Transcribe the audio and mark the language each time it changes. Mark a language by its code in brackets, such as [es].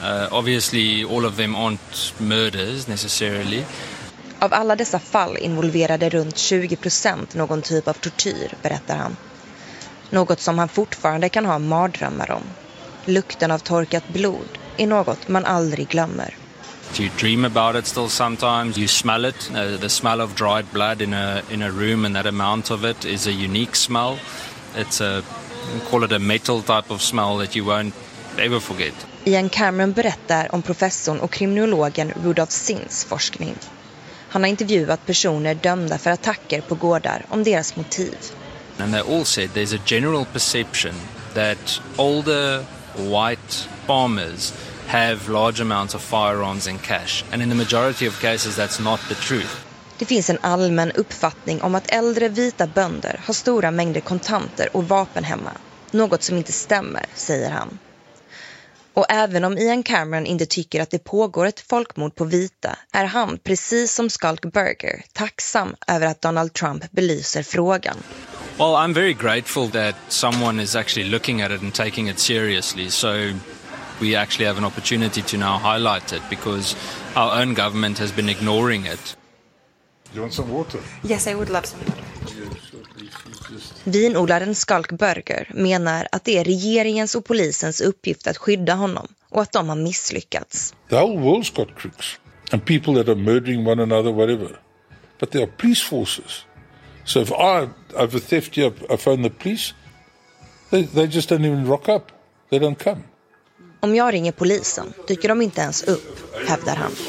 [en] Obviously all of them aren't murders necessarily. [sv] Av alla dessa fall involverade runt 20% någon typ av tortyr, berättar han. Något som han fortfarande kan ha mardrömmar om. Lukten av torkat blod är något man aldrig glömmer. [en] You dream about it still sometimes. You smell it. The smell of dried blood in a room and that amount of it is a unique smell. It's a, call it a metal type of smell that you won't ever forget. [sv] Ian Cameron berättar om professorn och kriminologen Rudolf Sins forskning. Han har intervjuat personer dömda för attacker på gårdar om deras motiv. [en] And they all said there's a general perception that older white farmers have large amounts of firearms and cash. And in the majority of cases that's not the truth. [sv] Det finns en allmän uppfattning om att äldre vita bönder har stora mängder kontanter och vapen hemma. Något som inte stämmer, säger han. Och även om Ian Cameron inte tycker att det pågår ett folkmord på vita, är han, precis som Skalk Berger, tacksam över att Donald Trump belyser frågan. [en] Well, I'm very grateful that someone is actually looking at it and taking it seriously. So we actually have an opportunity to now highlight it because our own government has been ignoring it. You want some water? Yes, I would love some water. [sv] Vinodlaren Skalk Berger menar att det är regeringens och polisens uppgift att skydda honom och att de har misslyckats. [en] The whole world's got crooks and people that are murdering one another, whatever. But there are police forces. So if I have a theft, I phone the police. They just don't even rock up. They don't come. [sv] Om jag ringer polisen, dyker de inte ens upp, hävdar han.